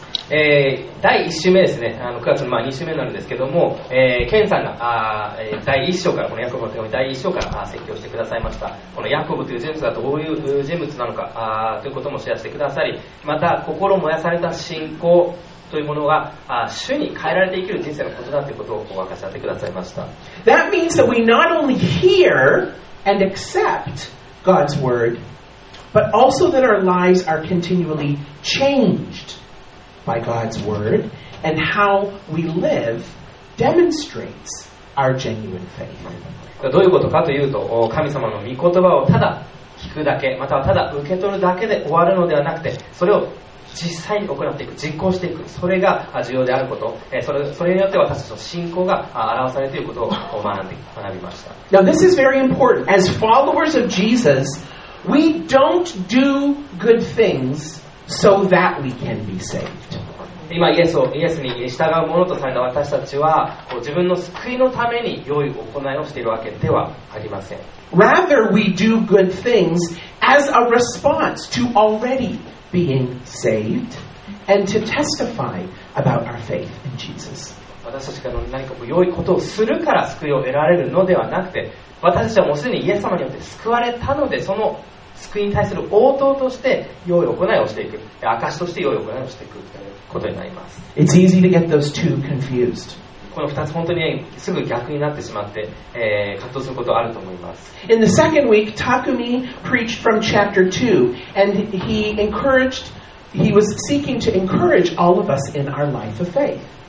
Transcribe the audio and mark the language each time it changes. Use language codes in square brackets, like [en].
[ja] 第1週目ですね、9月の2週目なんですけども、ケンさんが第1章から、このヤコブの手紙第1章から説教してくださいました。このヤコブという人物がどういう人物なのかということもシェアしてくださり、また心燃やされた信仰というものが主に変えられて生きる人生のことだということをお分かち合ってくださいました。 [en] That means that we not only hear and accept God's word, but also that our lives are continually changedby God's word and how we live demonstrates our genuine faith. [ja] どういうことかというと、神様の御言葉をただ聞くだけ、またはただ受け取るだけで終わるのではなくて、それを実際に行っていく、実行していく、それが重要であること、それによって私たちの信仰が表されていることを学びました。 [en] Now this is very important. As followers of Jesus, we don't do good things. So that we can be saved. [ja] 今イエスに従う者とされた私たちは自分の救いのために良い行いをしているわけではありません。 [en] Rather, we do good things as a response to already being saved and to testify about our faith in Jesus. [ja] 私たちが何か良いことをするから救いを得られるのではなくて、私たちはもうすでにイエス様によって救われたので、その救いに対する応答として良い行いをしていく、証として良い行いをしていくことになります。 [en] It's easy to get those two confused. [ja] この2つ本当に、ね、すぐ逆になってしまって、葛藤することあると思います。 [en] In the second week, Takumi preached from chapter 2 and he encouraged He was seeking to encourage all of us in our life of faith.